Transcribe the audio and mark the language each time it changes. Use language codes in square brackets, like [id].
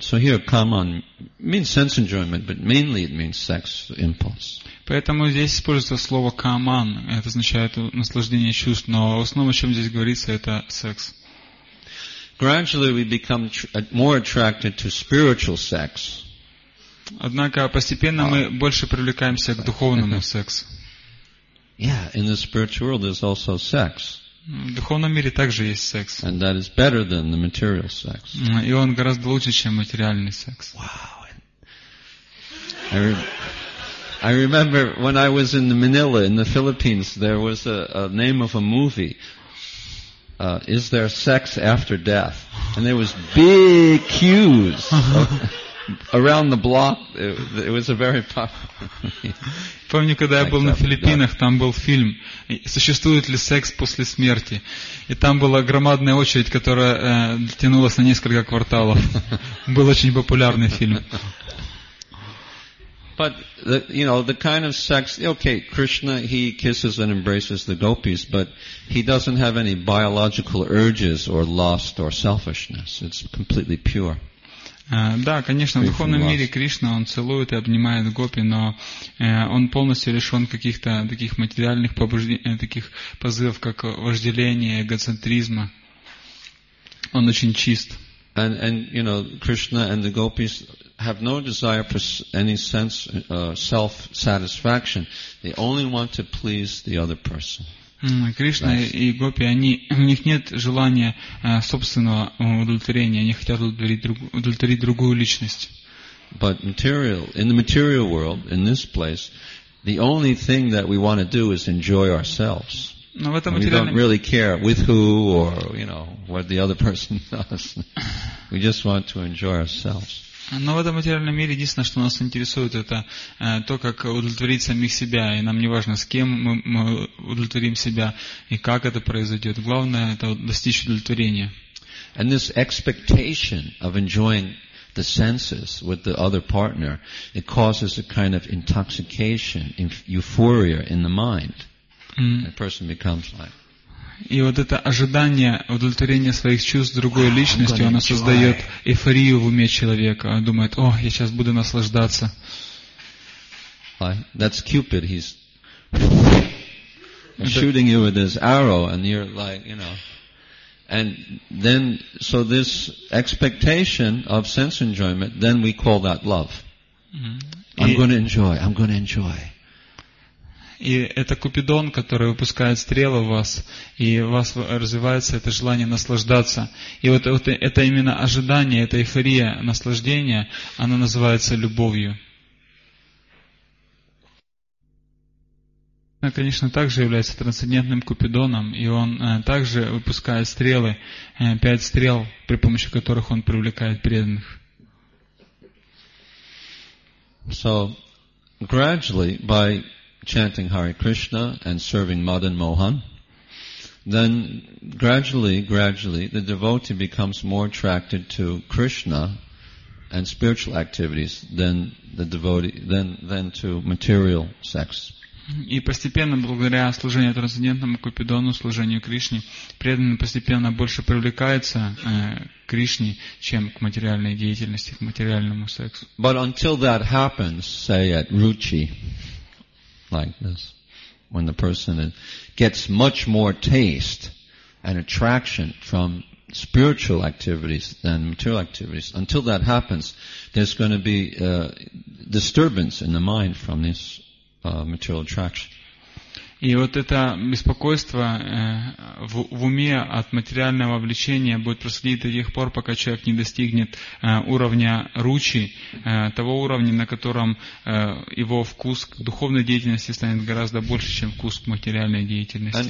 [en] So here, come on means sense enjoyment, but mainly it means sex impulse. [ru] Поэтому здесь используется слово «каман». Это означает наслаждение чувств. Но в основном, о чем здесь говорится, это секс. [en] Gradually we become more attracted to spiritual sex. [ru] Однако постепенно мы больше привлекаемся к духовному сексу. [en] Yeah, in the spiritual world there's also sex. [ru] В духовном мире также есть секс. [en] And that is better than the material sex. [ru] И он гораздо лучше, чем материальный секс. [en] Wow. I remember when I was in Manila in the Philippines, there was a name of a movie, Is There Sex After Death? And there was big queues around the block. It was a very popular movie. [ru] Помню, когда я был на Филиппинах, там был фильм «Существует ли секс после смерти?» И там была громадная очередь, которая тянулась на несколько кварталов. Был очень популярный фильм. [en] But the kind of sex, okay, Krishna, he kisses and embraces the gopis, but he doesn't have any biological urges or lust or selfishness. It's completely pure. [ru] Да, конечно, в духовном мире Кришна, он целует и обнимает гопи, но он полностью лишен каких-то таких материальных побуждений, таких позывов, как вожделение, эгоцентризма. Он очень чист. [en] And you know, Krishna and the gopis have no desire for any sense self-satisfaction. They only want to please the other person. [ru] Кришна и гопи, у них нет желания собственного удовлетворения. Они хотят удовлетворить другую личность. [en] But in the material world, in this place, the only thing that we want to do is enjoy ourselves. [ru] Но в этом материальном... [en] We don't really care with who or, you know, what the other person does. We just want to enjoy ourselves. [ru] Но в этом материальном мире единственное, что нас интересует, это то, как удовлетворить самих себя. И нам не важно, с кем мы удовлетворим себя и как это произойдет. Главное – это достичь удовлетворения. [en] And this expectation of enjoying the senses with the other partner, it causes a kind of intoxication, euphoria in the mind. The person becomes like. [ru] И вот это ожидание удовлетворения своих чувств другой личностью, оно создает эйфорию в уме человека. Он думает, о, я сейчас буду наслаждаться. [en] That's Cupid. He's shooting you with his arrow, and you're like, you know. And then, so this expectation of sense enjoyment, then we call that love. I'm going to enjoy. [ru] И это Купидон, который выпускает стрелы в вас, и у вас развивается это желание наслаждаться. И вот, вот это именно ожидание, эта эйфория наслаждения, она называется любовью. Она, конечно, также является трансцендентным Купидоном, и он также выпускает стрелы, 5 стрел, при помощи которых он привлекает преданных. [en] So, gradually, by chanting Hare Krishna and serving Madan Mohan, then gradually the devotee becomes more attracted to Krishna and spiritual activities than the devotee than to material sex. [ru] И постепенно, благодаря служению трансцендентному Купидону, служению Кришне, преданный постепенно больше привлекается к Кришне, чем к материальной деятельности, к материальному сексу. [en] But until that happens, say at Ruchi, like this, when the person gets much more taste and attraction from spiritual activities than material activities, until that happens, there's going to be disturbance in the mind from this material attraction. [ru] И вот это беспокойство в уме от материального влечения будет происходить до тех пор, пока человек не достигнет уровня ручи, того уровня, на котором его вкус к духовной деятельности станет гораздо больше, чем вкус к материальной деятельности.